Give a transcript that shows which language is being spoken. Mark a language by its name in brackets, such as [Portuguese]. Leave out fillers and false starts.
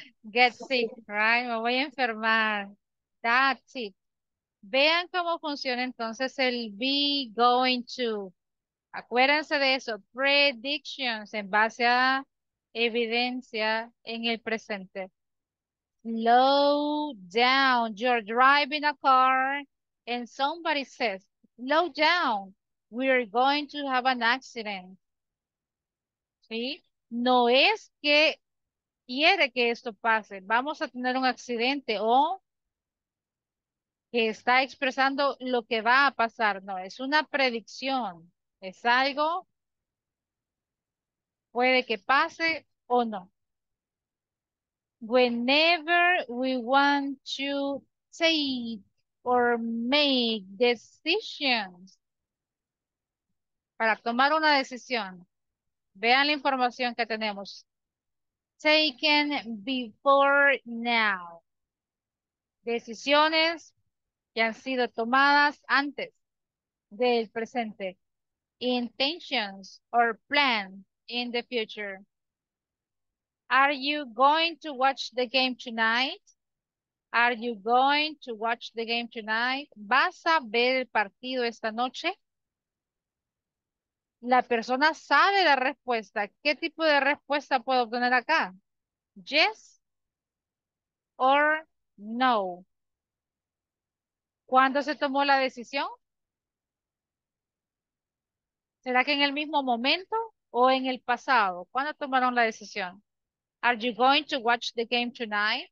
[English] Get sick, right? [Spanish] Me voy a enfermar. [English] That's it. [Spanish] Vean cómo funciona entonces el be going to. Acuérdense de eso. Predictions en base a evidencia en el presente. [English] Slow down. You're driving a car and somebody says, slow down. We're going to have an accident. ¿Sí? [Spanish] No es que quiere que esto pase. Vamos a tener un accidente o que está expresando lo que va a pasar. No, es una predicción. Es algo puede que pase o no. [English] Whenever we want to take or make decisions, [Spanish] para tomar una decisión, vean la información que tenemos. [English] Taken before now. [Spanish] Decisiones que han sido tomadas antes del presente. [English] Intentions or plan in the future. Are you going to watch the game tonight? Are you going to watch the game tonight? [Spanish] ¿Vas a ver el partido esta noche? La persona sabe la respuesta. ¿Qué tipo de respuesta puedo obtener acá? [English] Yes or no. [Spanish] ¿Cuándo se tomó la decisión? ¿Será que en el mismo momento o en el pasado? ¿Cuándo tomaron la decisión? [English] Are you going to watch the game tonight?